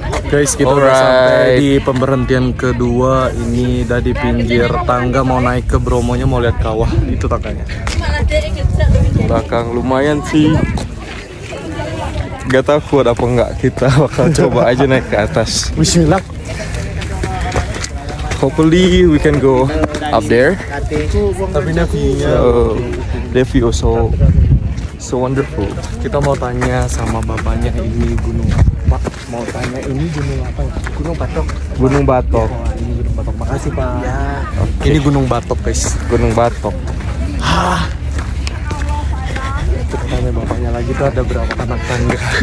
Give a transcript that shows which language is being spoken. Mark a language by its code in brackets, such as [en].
[id] Guys, kita sampai di pemberhentian kedua. Ini udah di pinggir tangga mau naik ke Bromonya, mau lihat kawah. Itu tangganya. Belakang lumayan sih. Gak tahu kuat apa enggak, kita bakal coba aja naik ke atas. Bismillah. [en] Hopefully we can go up there. [id] Tapi ini view-nya. [en] The view so so wonderful. [id] Kita mau tanya sama bapaknya ini gunung. Mau tanya ini gunung apa ya? Gunung Batok. Gunung Batok. Ya, ini Gunung Batok. Makasih, Pak. Ya. Okay. Ini Gunung Batok, guys. Gunung Batok. Ha. Kita tanya bapaknya lagi, tuh ada berapa anak tangga.